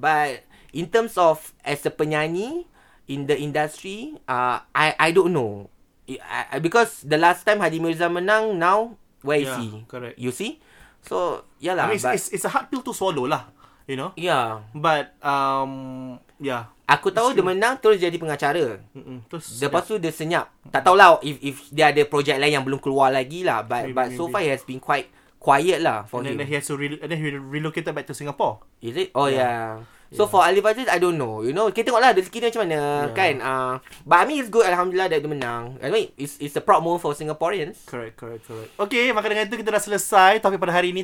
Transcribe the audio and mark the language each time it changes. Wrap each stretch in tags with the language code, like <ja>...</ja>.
<en>But in terms of as a penyanyi in the industry, I don't know. Because the last time Hadi Mirza menang, now, where is he? Correct. You see? So, yalah. I mean, it's a hard pill to swallow lah. You know? Yeah. But, yeah.</en> <ms>Aku tahu dia menang, terus jadi pengacara. Lepas tu dia senyap. Tak tahulah if dia ada projek lain yang belum keluar lagi lah.</ms> <en>But so far, he has been quite quiet lah for him. And then he relocated back to Singapore. Is it? Oh, yeah. So, for Aliff Aziz, I don't know. You know,</en> <ms>kita tengok lah rezeki dia macam mana, kan?</ms> <en>But I mean, it's good, Alhamdulillah, that</en> <ms>dia menang.</ms> <en>I mean, it's a proud moment for Singaporeans. Correct.</en> <ms>Okay, maka dengan itu, kita dah selesai topik pada hari ini.</ms>